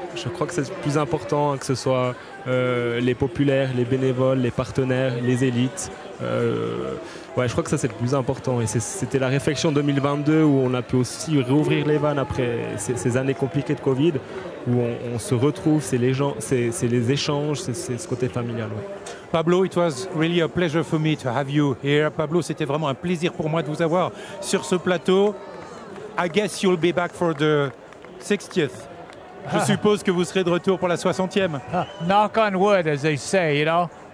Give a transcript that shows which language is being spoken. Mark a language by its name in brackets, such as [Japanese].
[French] Je crois que c'est le plus important, que ce soit les populaires, les bénévoles, les partenaires, les élites. Je crois que ça, c'est le plus important. Et c'était la réflexion 2022 où on a pu aussi rouvrir les vannes après ces années compliquées de Covid, où on se retrouve, c'est les gens, c'est les échanges, c'est ce côté familial. Ouais. [English] Pablo, it was really a pleasure for me to have you here. [French] Pablo, c'était vraiment un plaisir pour moi de vous avoir sur ce plateau. [English] I guess you'll be back for the 60th. [French] Je suppose que vous serez de retour pour la 60e. [English] Knock on wood, as they say, you know.